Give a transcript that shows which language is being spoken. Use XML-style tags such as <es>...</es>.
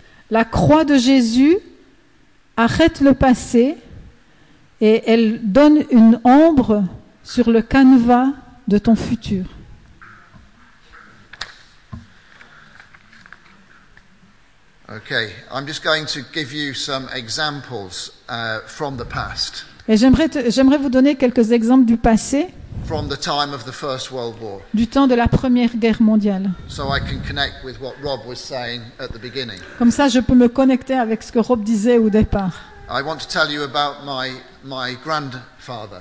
<fr>La croix de Jésus arrête le passé et elle donne une ombre sur le canevas de ton futur.</fr> <en>Okay, I'm just going to give you some examples from the past.</en> <fr>Et j'aimerais vous donner quelques exemples du passé.</fr> <en>From the time of the First World War.</en> <fr>Du temps de la Première Guerre mondiale.</fr> <en>So I can connect with what Rob was saying at the beginning.</en> <fr>Comme ça, je peux me connecter avec ce que Rob disait au départ.</fr> <en>I want to tell you about my grandfather.</en>